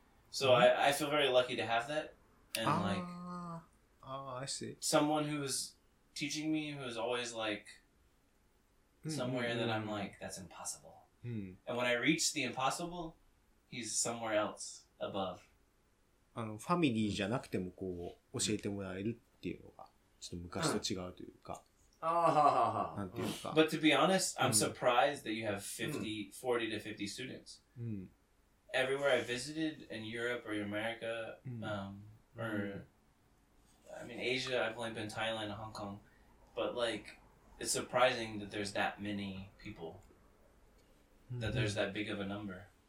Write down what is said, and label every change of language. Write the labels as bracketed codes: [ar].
[en] So I feel very lucky to have that. And like, I see. Someone who was teaching me, who was always like somewhere that I'm like, that's impossible. And when I reach the impossible, he's somewhere else above. [ja] あのファミリーじゃなくてもこう教えてもらえるっていうのがちょっと昔と違うというか、なんていうか。 [en] But to be honest, I'm surprised that you have 50, 40 to 50 students. Everywhere I visited in Europe or America, I mean Asia, I've only been Thailand and Hong Kong, but like it's surprising that there's that many people, that there's that big of a number.